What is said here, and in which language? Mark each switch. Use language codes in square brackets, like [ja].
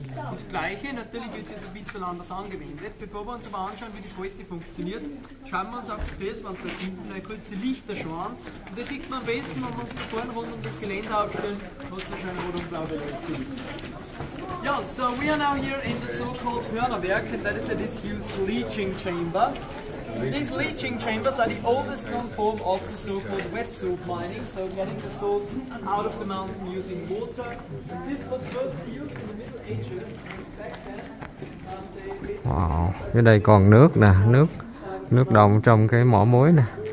[de] Das Gleiche, natürlich wird es jetzt ein bisschen anders angewendet. Bevor wir uns aber anschauen, wie das heute funktioniert, schauen wir uns auf die Felswand da hinten eine kurze Lichterschau an. Und da sieht man am besten, wenn wir uns da vorne rund um das Geländer aufstellen, was so schön rot und blau beleuchtet ist. [en] Ja, so we are now here in the so-called Hörnerwerk, and that is a disused leaching chamber. These leaching chambers are the oldest known form of the so-called wet salt mining, so getting the salt out of the mountain using water. And this was first used in the Middle Ages. [vi] Wow, dưới đây còn nước nè, nước nước đồng trong cái mỏ muối nè.